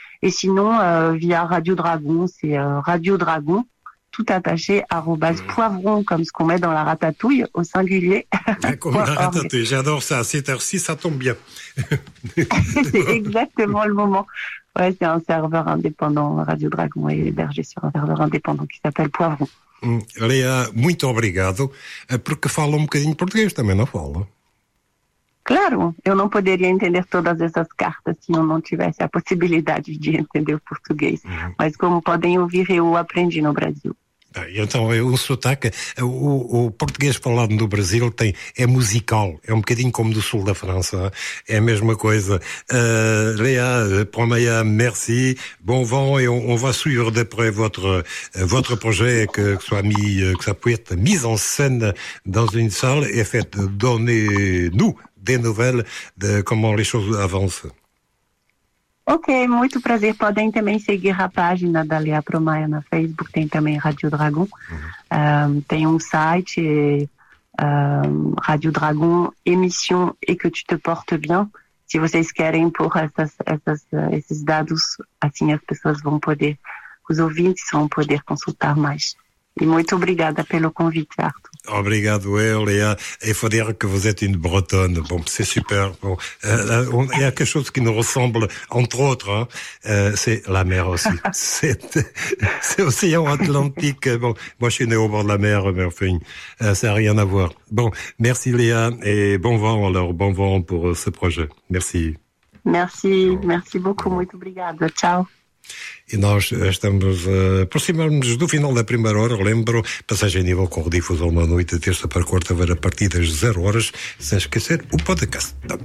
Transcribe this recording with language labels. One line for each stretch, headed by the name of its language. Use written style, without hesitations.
French: Et sinon, via Radio Dragon, c'est Radio Dragon, tout attaché, @poivron, comme ce qu'on met dans la ratatouille, au singulier. Comme la ratatouille, j'adore ça. À 7h06, ça tombe bien. C'est exactement le moment. Ouais, c'est un serveur indépendant, Radio Dragon est hébergé sur un serveur indépendant qui s'appelle Poivron.
Portuguese: Léa, muito obrigado, porque fala um bocadinho português também, não fala? Claro, eu não poderia entender todas essas cartas se eu não tivesse a possibilidade de entender o português. Uhum. Mas como podem ouvir, eu aprendi no Brasil. Então, o sotaque, o português falado no Brasil é musical, é um bocadinho como do sul da França, é a mesma coisa.
French: Léa, Promaya, merci, bon vent, et on va suivre de près votre projet, que soit puisse être mis en scène dans une salle et fait donner nous des nouvelles de comment les choses avancent.
Portuguese: Ok, muito prazer. Podem também seguir a página da Léa Promaya na Facebook, tem também Rádio Dragão. Uhum. Tem um site, Rádio Dragão, emissão e
French: que tu te portes bien.
Portuguese: Se vocês querem pôr esses dados, assim as pessoas vão poder, os ouvintes vão poder consultar mais. E muito obrigada pelo convite, Arthur. Obrigado, Léa.
French: Il faut dire que vous êtes une bretonne. Bon, c'est super. Bon, il y a quelque chose qui nous ressemble, entre autres, hein, c'est la mer aussi. C'est l'océan Atlantique. Bon, moi, je suis né au bord de la mer, mais enfin, ça n'a rien à voir. Bon, merci, Léa, et bon vent, alors, bon vent pour ce projet. Merci. Merci, bon. Merci beaucoup. Bon.
Portuguese: Muito obrigada.
French: Ciao.
Portuguese: E nós estamos a aproximar-nos do final da primeira hora, lembro, passagem a nível com redifusão na noite, terça para quarta-feira, a partir das 0 horas, sem esquecer o podcast.